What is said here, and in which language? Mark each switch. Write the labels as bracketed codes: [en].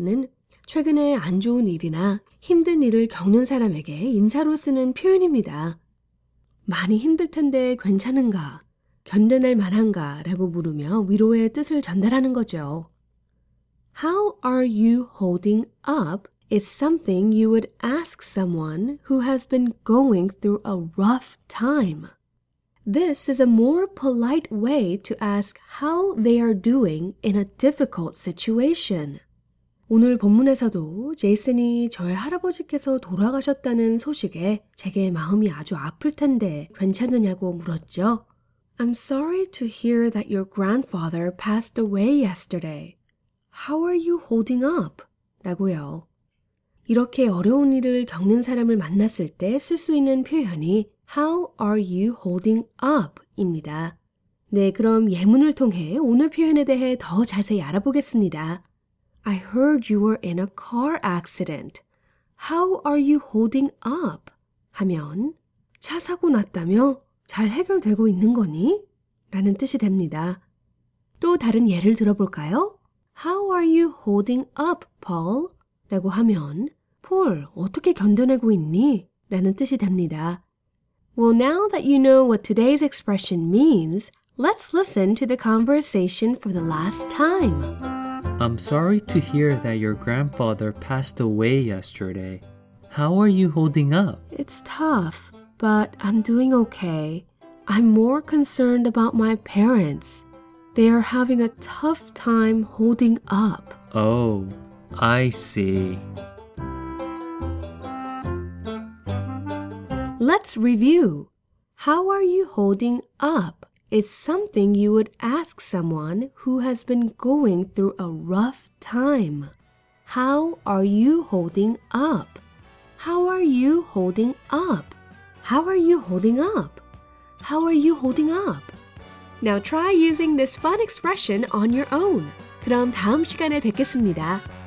[ko] 는 최근에 안 좋은 일이나 힘든 일을 겪는 사람에게 인사로 쓰는 표현입니다. 많이 힘들 텐데 괜찮은가? 견뎌낼 만한가? 라고 물으며 위로의 뜻을 전달하는 거죠. [en] How are you holding up is something you would ask someone who has been going through a rough time. This is a more polite way to ask how they are doing in a difficult situation. [ko] 오늘 본문에서도 제이슨이 저의 할아버지께서 돌아가셨다는 소식에 제게 마음이 아주 아플 텐데 괜찮으냐고 물었죠. [en] I'm sorry to hear that your grandfather passed away yesterday. How are you holding up? [ko] 라고요. 이렇게 어려운 일을 겪는 사람을 만났을 때 쓸 수 있는 표현이 [en] How are you holding up? [ko] 입니다. 네, 그럼 예문을 통해 오늘 표현에 대해 더 자세히 알아보겠습니다. [en] I heard you were in a car accident. How are you holding up? [ko] 하면 차 사고 났다며 잘 해결되고 있는 거니? 라는 뜻이 됩니다. 또 다른 예를 들어볼까요? [en] How are you holding up, Paul? [ko] 라고 하면 폴, 어떻게 견뎌내고 있니? 라는 뜻이 됩니다. [en] Well, now that you know what today's expression means, let's listen to the conversation for the last time. I'm sorry to hear that your grandfather passed away yesterday. How are you holding up? It's tough, but I'm doing okay. I'm more concerned about my parents. They are having a tough time holding up. Oh, I see. Let's review. How are you holding up? Is something you would ask someone who has been going through a rough time. How are you holding up? How are you holding up? How are you holding up? How are you holding up? Now try using this fun expression on your own. [ko] 그럼 다음 시간에 뵙겠습니다.